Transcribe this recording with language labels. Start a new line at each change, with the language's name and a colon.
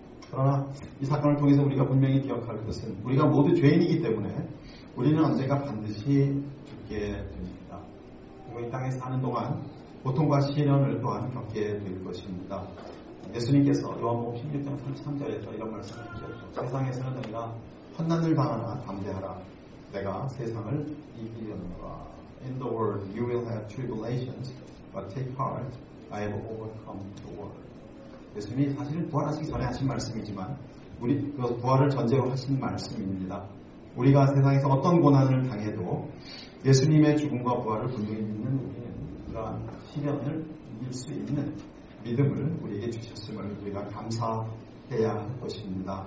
Korean: 그러나 이 사건을 통해서 우리가 분명히 기억할 것은 우리가 모두 죄인이기 때문에 우리는 언젠가 반드시 죽게 됩니다. 이 땅에 사는 동안 고통과 시련을 또한 겪게 될 것입니다. 예수님께서 요한복음 16장 33절에서 이런 말씀을 하셨죠. 세상에서는 너희가 환난을 당하나 담대하라. 내가 세상을 이기려노라.
English: In the world, you will have tribulations, but take heart. I have overcome the world.
Korean: 예수님이 사실은 부활하시기 전에 하신 말씀이지만, 우리 그 부활을 전제로 하신 말씀입니다. 우리가 세상에서 어떤 고난을 당해도 예수님의 죽음과 부활을 분명히 믿는 우리는 그러한 시련을 이길 수 있는 믿음을 우리에게 주셨음을 우리가 감사해야 할 것입니다.